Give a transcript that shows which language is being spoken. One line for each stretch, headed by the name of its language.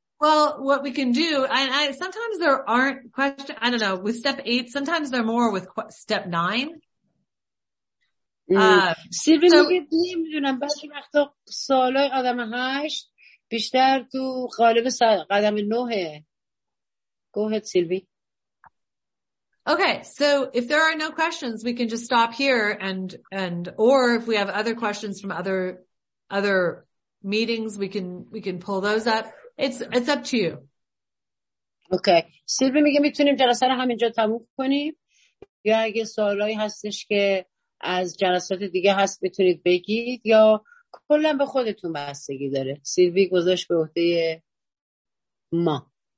English: Well, what we can do, and I sometimes there aren't questions, I don't know, with step 8, sometimes there are more with step 9.
Persian: سیلوی میگه نمیدونم بعضی وقتا سوالای قدم 8 بیشتر تو قالب قدم 9.
English: Go ahead, Sylvie. Okay, so if there are no questions, we can just stop here and or if we have other questions from other meetings, we can pull those up. It's up to you. Okay.
Persian: سیلوی میگه میتونیم جلسه رو همینجا تموم کنیم یا اگه سوالایی هستش که از جلسات دیگه هست میتونید بگید یا کلا به خودتون بستگی داره. سیلوی گذاشت به عهده ما.